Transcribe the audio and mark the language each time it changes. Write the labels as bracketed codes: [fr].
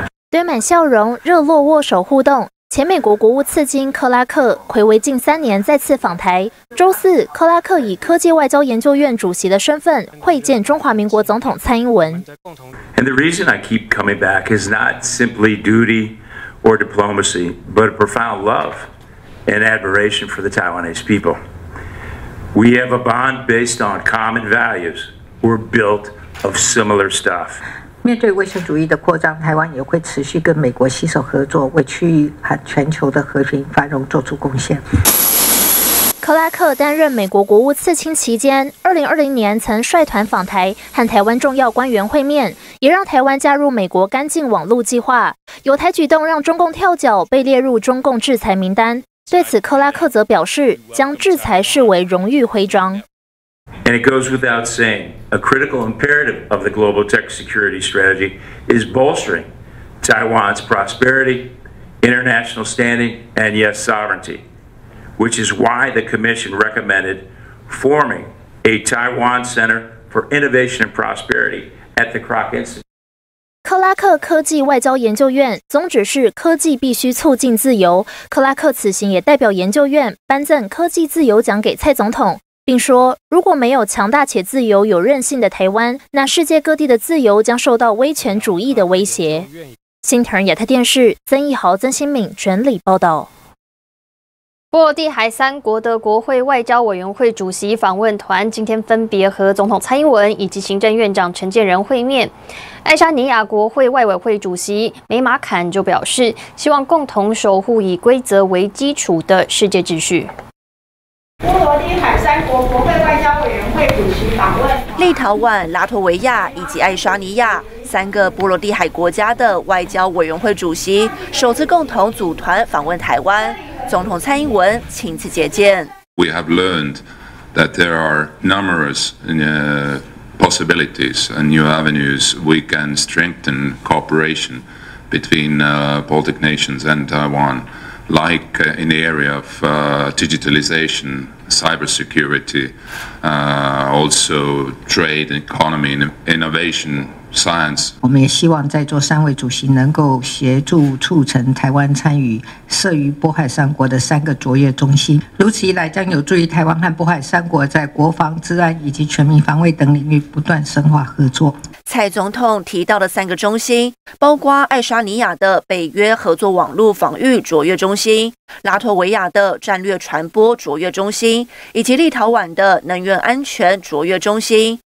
[zh] 堆满笑容，热络握手互动。前美国国务次卿克拉克暌违近3年再次访台。周四，克拉克以科技外交研究院主席的身份会见中华民国总统蔡英文。 [en] And the reason I keep coming back is not simply duty or diplomacy, but a profound love and admiration for the Taiwanese people. We have a bond based on common values. We're built of similar stuff. [zh] 面对威权主义的扩张，台湾也会持续跟美国携手合作，为区域和全球的和平繁荣做出贡献。克拉克担任美国国务次卿期间，2020年曾率团访台，和台湾重要官员会面，也让台湾加入美国干净网络计划。有台举动让中共跳脚，被列入中共制裁名单。对此，克拉克则表示，将制裁视为荣誉徽章。 [en] And it goes without saying. A critical imperative of the global tech security strategy is bolstering Taiwan's prosperity, international standing, and yes, sovereignty, which is why the Commission recommended forming a Taiwan Center for Innovation and Prosperity at the Kroc Institute。 [zh] 克拉克科技外交研究院宗旨是科技必须促进自由，克拉克此行也代表研究院颁赠科技自由奖给蔡总统，并说如果没有强大且自由有韧性的台湾，那世界各地的自由将受到威权主义的威胁。新唐亚太电视曾义豪、曾新敏整理报道。波罗的海三国的国会外交委员会主席访问团今天分别和总统蔡英文以及行政院长陈建仁会面。爱沙尼亚国会外委会主席梅马坎就表示，希望共同守护以规则为基础的世界秩序。波罗的海三国国会外交委员会主席访问立陶宛、拉脱维亚以及爱沙尼亚三个波罗的海国家的外交委员会主席首次共同组团访问台湾。总统蔡英文亲自接见。 [en] We have learned that there are numerous possibilities and new avenues we can strengthen cooperation between Baltic nations and Taiwan, like in the area of digitalization, cybersecurity, also trade, economy, innovation. Science. [zh] 我们也希望在座三位主席能够协助促成台湾参与设于渤海三国的三个卓越中心，如此一来将有助于台湾和渤海三国在国防、治安以及全民防卫等领域不断深化合作。蔡总统提到的三个中心包括爱沙尼亚的北约合作网络防御卓越中心、拉脱维亚的战略传播卓越中心以及立陶宛的能源安全卓越中心。